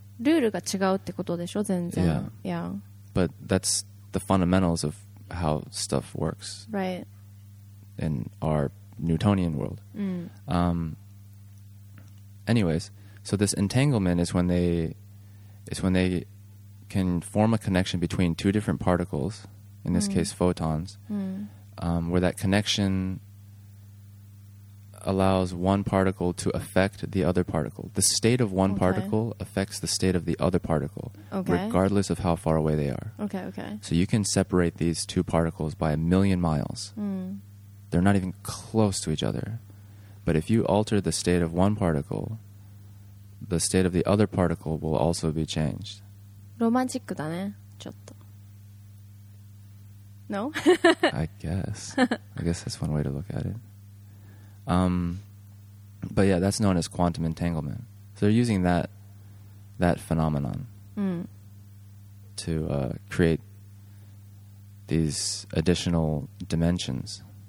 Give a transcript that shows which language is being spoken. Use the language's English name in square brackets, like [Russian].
[Japanese] ルールが違うってことでしょ、全然。 [English] Yeah. Yeah. But that's the fundamentals of how stuff works. Right. In our Newtonian world. Anyways, so this entanglement is when they can form a connection between two different particles, in this case photons, where that connection... allows one particle to affect the other particle. The state of one particle affects the state of the other particle, regardless of how far away they are. So you can separate these two particles by a million miles. They're not even close to each other. But if you alter the state of one particle, the state of the other particle will also be changed. [Japanese] ロマンチックだね、ちょっと。 [English] No? I guess. I guess that's one way to look at it. But yeah, that's known as quantum entanglement. So they're using that phenomenon to create these additional dimensions.